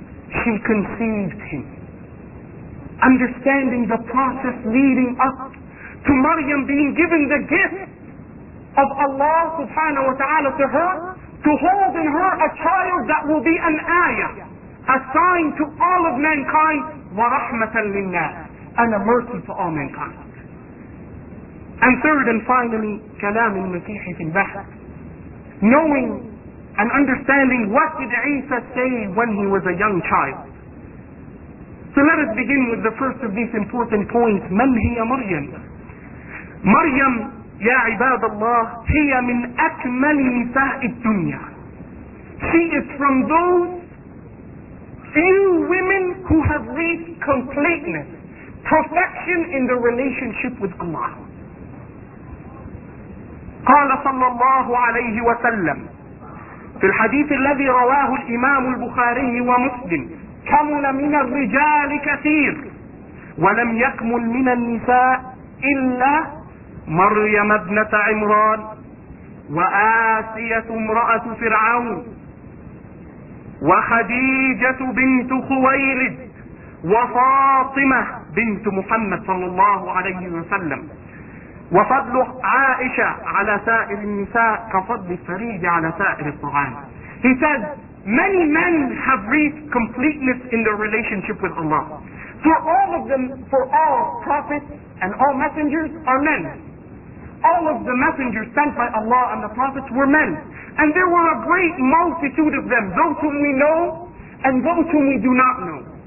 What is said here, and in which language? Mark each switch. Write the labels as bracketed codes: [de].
[en] She conceived him. Understanding the process leading up to Maryam being given the gift of Allah subhanahu wa ta'ala to her, to hold in her a child that will be an ayah, a sign to all of mankind, [ar] وَرَحْمَةً لِلنَّاسِ, [en] and a mercy to all mankind. And third and finally, [ar] كلام المسيح في البحر. [en] Knowing and understanding what did Isa say when he was a young child. So let us begin with the first of these important points. [ar] من هي مريم? مريم يا عباد الله هي من أكمل نساء الدنيا. [en] She is from those few women who have reached completeness, perfection in the relationship with Allah. [ar] قال صلى الله عليه وسلم في الحديث الذي رواه الإمام البخاري ومسلم كمل من الرجال كثير ولم يكمل من النساء إلا مريم ابنة عمران وآسية امرأة فرعون وخديجة بنت خويلد وفاطمة بنت محمد صلى الله عليه وسلم، وفضل عائشة على سائر النساء كفضل الفريج على سائر الطعام. [en] He says many men have reached completeness in their relationship with Allah. For all of them, for all prophets and all messengers are men. All of the messengers sent by Allah and the prophets were men. And there were a great multitude of them, those whom we know and those whom we do not know.